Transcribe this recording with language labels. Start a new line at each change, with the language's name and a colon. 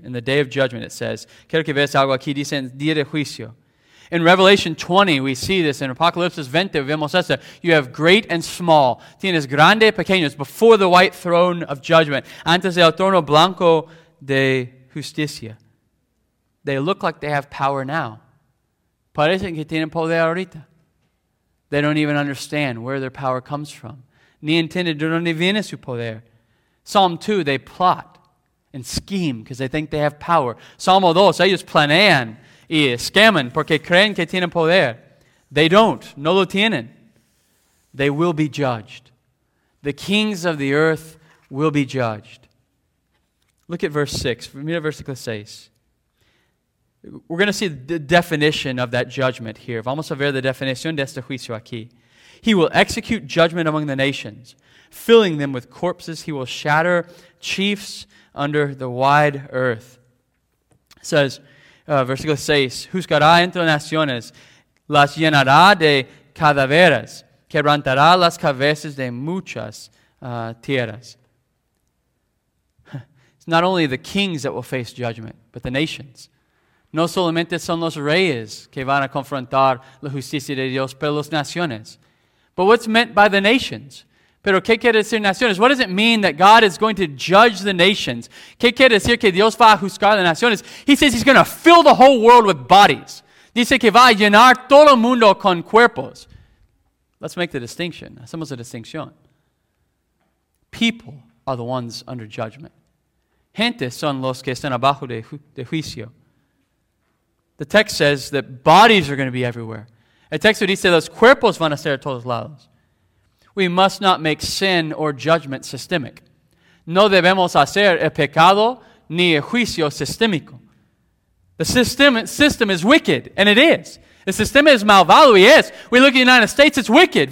English: In the day of judgment, it says,
Spanish: quiero que veas algo aquí, dice en día de juicio.
English: In Revelation 20, we see this. In Apocalypse 20,
Spanish: vemos esto.
English: You have great and small.
Spanish: Tienes grande y pequeños.
English: Before the white throne of judgment.
Spanish: Antes del trono blanco de justicia.
English: They look like they have power now.
Spanish: Parecen que tienen poder ahorita.
English: They don't even understand where their power comes from.
Spanish: Ni entienden de dónde viene su poder.
English: Psalm 2, they plot. and scheme because they think they have power.
Spanish: Salmo 2, ellos planean y escaman porque creen que tienen poder.
English: They don't.
Spanish: No lo tienen.
English: They will be judged. The kings of the earth will be judged. Look at verse 6.
Spanish: Mira versículo 6.
English: We're going to see the definition of that judgment here.
Spanish: Vamos a ver la definición de este juicio aquí.
English: He will execute judgment among the nations, filling them with corpses. He will shatter chiefs under the wide earth. It says,
Spanish: versículo 6, juzgará entre naciones, las llenará de cadáveres, quebrantará las cabezas de muchas tierras.
English: It's not only the kings that will face judgment, but the nations.
Spanish: No solamente son los reyes que van a confrontar la justicia de Dios, pero las naciones.
English: But what's meant by the nations?
Spanish: Pero qué quiere decir naciones?
English: What does it mean that God is going to judge the nations?
Spanish: Qué quiere decir que Dios va a juzgar las naciones?
English: He says he's going to fill the whole world with bodies.
Spanish: Dice que va a llenar todo el mundo con cuerpos.
English: Let's make the distinction.
Spanish: Hacemos la distinción.
English: People are the ones under judgment.
Spanish: Gente son los que están abajo de juicio.
English: The text says that bodies are going to be everywhere.
Spanish: El texto dice los cuerpos van a ser a todos lados.
English: We must not make sin or judgment systemic.
Spanish: No debemos hacer el pecado ni el juicio sistémico.
English: The system is wicked, and it is. The system is
Spanish: malvado, y es.
English: We look at the United States, it's wicked.